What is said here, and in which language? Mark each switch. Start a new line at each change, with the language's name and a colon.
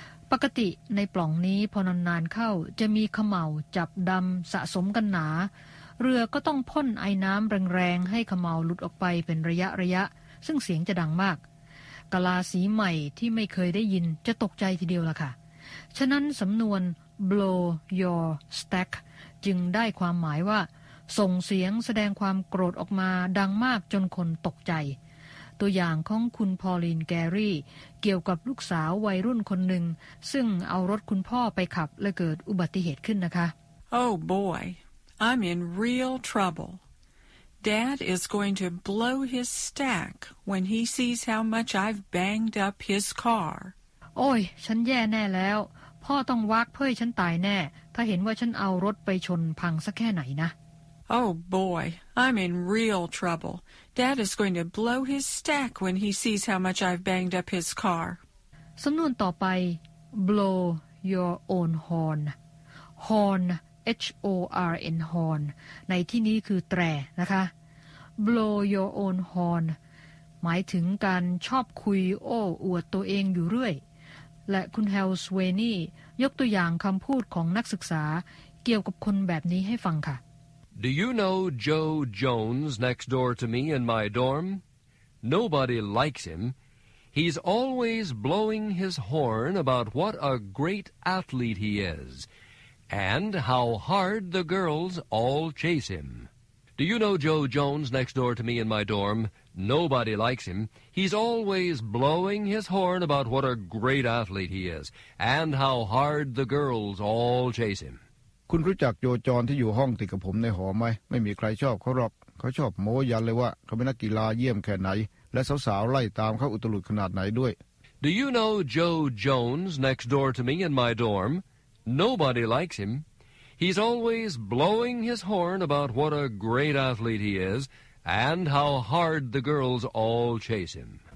Thai: ปกติในปล่องนี้พอนานๆเข้าจะมีเขม่าจับดำสะสมกันหนาเรือก็ต้องพ่นไอ้น้ำแรงๆให้เขม่าหลุดออกไปเป็นระยะซึ่งเสียงจะดังมากกะลาสีใหม่ที่ไม่เคยได้ยินจะตกใจทีเดียวล่ะค่ะฉะนั้นสำนวน
English: blow your stack
Thai: จึงได้ความหมายว่าส่งเสียงแสดงความโกรธออกมาดังมากจนคนตกใจ ตัวอย่างของคุณพอลลีนแกรี่เกี่ยวกับลูกสาววัยรุ่นคนหนึ่งซึ่งเอารถคุณพ่อไปขับและเกิดอุบัติเหตุขึ้นนะคะ
English: Oh boy, I'm in real troubleDad is going to blow his stack when he sees how much I've banged up his car.
Thai: โอ้ยฉันแย่แน่แล้วพ่อต้องวากเพื่อให้ฉันตายแน่ถ้าเห็นว่าฉันเอารถไปชนพังสักแค่ไหนนะ
English: Oh boy, I'm in real trouble. Dad is going to blow his stack when he sees how much I've banged up his car.
Thai: สำนวนต่อไป
English: blow your own horn.
Thai: HornHORN horn ในที่นี้คือแตรนะคะ
English: blow your own horn
Thai: หมายถึงการชอบคุยโอ้อวดตัวเองอยู่เรื่อยและคุณแฮลสเวนี่ยกตัวอย่างคำพูดของนักศึกษาเกี่ยวกับคนแบบนี้ให้ฟังค่ะ
English: Do you know Joe Jones next door to me in my dorm? Nobody likes him. He's always blowing his horn about what a great athlete he is. And how hard the girls all chase him. Do you know Joe Jones next door to me in my dorm? Nobody likes him. He's always blowing his horn about what a great athlete he is. And how hard the girls all chase him.
Thai: คุณรู้จักโจจอนที่อยู่ห้องติดกับผมในหอไหมไม่มีใครชอบเขาหรอกเขาชอบโม้ยันเลยว่าเขาเป็นนักกีฬาเยี่ยมแค่ไหนและสาวๆไล่ตามเขาอุตลุดขนาดไหนด้วย
English: Do you know Joe Jones next door to me in my dorm? Nobody likes him. He's always blowing his horn about what a great athlete he is and how hard the girls all chase him.